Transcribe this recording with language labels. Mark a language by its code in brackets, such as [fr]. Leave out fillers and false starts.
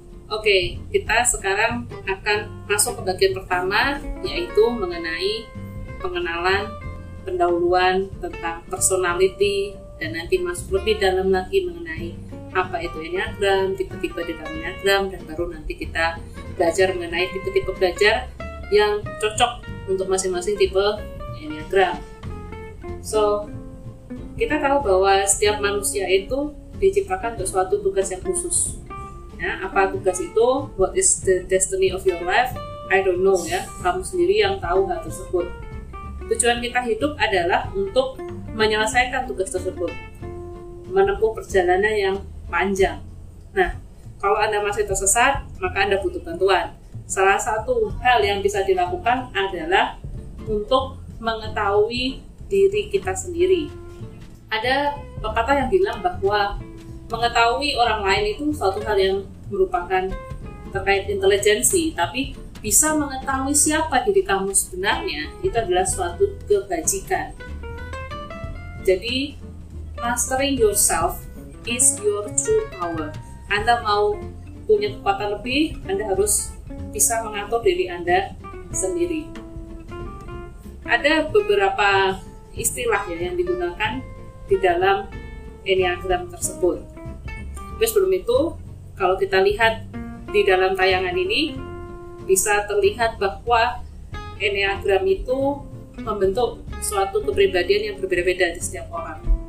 [id] Oke, kita sekarang akan masuk ke bagian pertama, yaitu mengenai pengenalan, pendahuluan tentang personality, dan nanti masuk lebih dalam lagi mengenai apa itu Enneagram, tipe-tipe di dalam Enneagram, dan baru nanti kita belajar mengenai tipe-tipe belajar yang cocok untuk masing-masing tipe Enneagram. So, kita tahu bahwa setiap manusia itu diciptakan untuk suatu tugas yang khusus. Ya, apa tugas itu? [en] What is the destiny of your life? I don't know ya. [id] Kamu sendiri yang tahu hal tersebut. Tujuan kita hidup adalah untuk menyelesaikan tugas tersebut, menempuh perjalanan yang panjang. Nah, kalau Anda masih tersesat, maka Anda butuh bantuan. Salah satu hal yang bisa dilakukan adalah untuk mengetahui diri kita sendiri. Ada pepatah yang bilang bahwa mengetahui orang lain itu suatu hal yang merupakan terkait intelijensi, tapi bisa mengetahui siapa diri kamu sebenarnya itu adalah suatu kebajikan. [en] Jadi, mastering yourself is your true power. [id] Anda mau punya kekuatan lebih, Anda harus bisa mengatur diri Anda sendiri. Ada beberapa istilah ya yang digunakan di dalam Enneagram tersebut. Tapi sebelum itu, kalau kita lihat di dalam tayangan ini, bisa terlihat bahwa Enneagram itu membentuk suatu kepribadian yang berbeda-beda di setiap orang.